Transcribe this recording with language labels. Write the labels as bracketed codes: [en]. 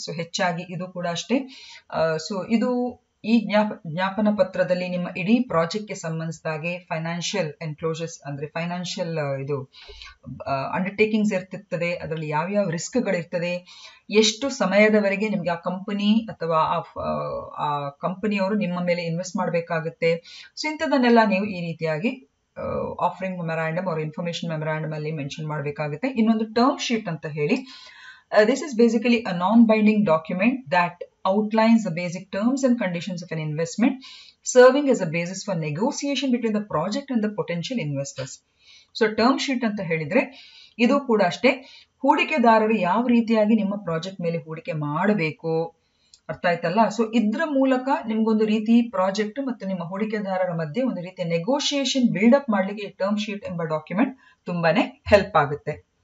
[kn] So ಹೆಚ್ಚಾಗಿ ಇದು ಕೂಡ ಅಷ್ಟೇ. ಸೊ ಇದು ಈ ಜ್ಞಾಪನ ಪತ್ರದಲ್ಲಿ ನಿಮ್ಮ ಇಡೀ ಪ್ರಾಜೆಕ್ಟ್ಗೆ ಸಂಬಂಧಿಸಿದಾಗೆ ಫೈನಾನ್ಷಿಯಲ್ ಎನ್ಕ್ಲೋಸರ್ಸ್ ಅಂದರೆ ಫೈನಾನ್ಷಿಯಲ್ ಇದು ಅಂಡರ್ಟೇಕಿಂಗ್ಸ್ ಇರ್ತಿರ್ತದೆ, ಅದರಲ್ಲಿ ಯಾವ್ಯಾವ ರಿಸ್ಕ್ಗಳಿರ್ತದೆ, ಎಷ್ಟು ಸಮಯದವರೆಗೆ ನಿಮಗೆ ಆ ಕಂಪನಿ ಅಥವಾ ಆ ಕಂಪನಿಯವರು ನಿಮ್ಮ ಮೇಲೆ ಇನ್ವೆಸ್ಟ್ ಮಾಡಬೇಕಾಗುತ್ತೆ. ಸೊ ಇಂಥದ್ದನ್ನೆಲ್ಲ ನೀವು ಈ ರೀತಿಯಾಗಿ ಆಫರಿಂಗ್ ಮೆಮರಾಂಡಮ್ ಅವ್ರ ಇನ್ಫಾರ್ಮೇಶನ್ ಮೆಮರಾಂಡಮ್ ಅಲ್ಲಿ ಮೆನ್ಷನ್ ಮಾಡಬೇಕಾಗುತ್ತೆ. ಇನ್ನೊಂದು ಟರ್ಮ್ ಶೀಟ್ ಅಂತ ಹೇಳಿ, [en] This is basically a non binding document that outlines the basic terms and conditions of an investment, serving as a basis for negotiation between the project and the potential investors. [kn] So, term sheet ಅಂತ ಹೇಳಿದ್ರೆ ಇದು ಕೂಡ ಅಷ್ಟೇ, ಹೂಡಿಕೆದಾರರು ಯಾವ ರೀತಿಯಾಗಿ ನಿಮ್ಮ project ಮೇಲೆ ಹೂಡಿಕೆ ಮಾಡಬೇಕು, ಅರ್ಥ ಆಯ್ತಲ್ಲ. ಸೊ ಇದ್ರ ಮೂಲಕ ನಿಮ್ಗೊಂದು ರೀತಿ ಪ್ರಾಜೆಕ್ಟ್ ಮತ್ತು ನಿಮ್ಮ ಹೂಡಿಕೆದಾರರ ಮಧ್ಯೆ ಒಂದು ರೀತಿಯ ನೆಗೋಷಿಯೇಷನ್ ಬಿಲ್ಡ್ ಅಪ್ ಮಾಡ್ಲಿಕ್ಕೆ ಈ ಟರ್ಮ್ ಶೀಟ್ ಎಂಬ ಡಾಕ್ಯುಮೆಂಟ್ ತುಂಬಾನೇ ಹೆಲ್ಪ್ ಆಗುತ್ತೆ.